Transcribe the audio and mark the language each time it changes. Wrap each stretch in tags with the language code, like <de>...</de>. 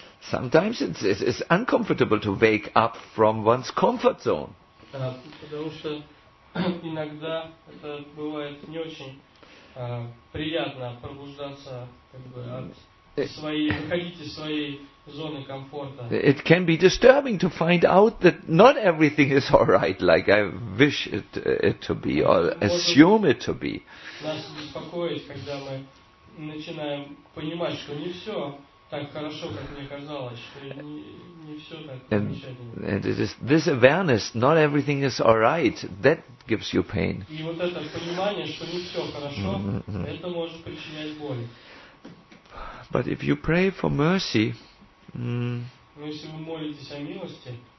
<en>Sometimes it's uncomfortable to wake up from one's comfort zone.</en> <ru>Потому что иногда это бывает не очень приятно пробуждаться, как бы, выходить из своей зоны комфорта.</ru> <en>It can be disturbing to find out that not everything is all right, like I wish it to be, or assume it to be.</en> <ru>Нас беспокоит, когда мы начинаем понимать, что не все так хорошо, как мне казалось, что не все так замечательно.</ru> <en>And it is this awareness, not everything is all right, that gives you pain.</en> <ru>И вот это понимание, что не все хорошо, это может причинять боль.</ru> <en>But if you pray for mercy,</en> <ru>но если вы молитесь о милости,</ru>